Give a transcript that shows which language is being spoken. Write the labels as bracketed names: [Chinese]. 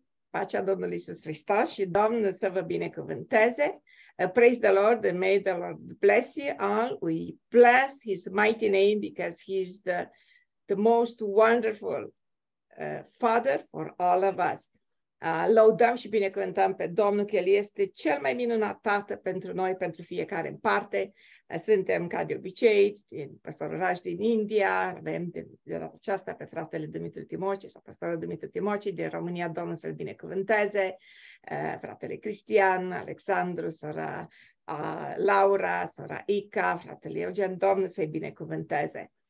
[Romanian] Pacea Domnului Iisus Hristos și Domnul să vă binecuvânteze. [English] Praise the Lord and may the Lord bless you all. We bless His mighty name because He's the most wonderful Father for all of us. [Romanian] Laudăm și binecuvântăm pe Domnul că El este cel mai minunat Tată pentru noi, pentru fiecare în parte. Suntem, ca de obicei, din pastorul Raj din India, avem de data aceasta pe fratele Dumitru Timoci sau pastorul Dumitru Timoci din România, Domnul să-l binecuvânteze, fratele Cristian, Alexandru, sora Laura, sora Ica, fratele Eugen, Domnul să-i binecuvânteze.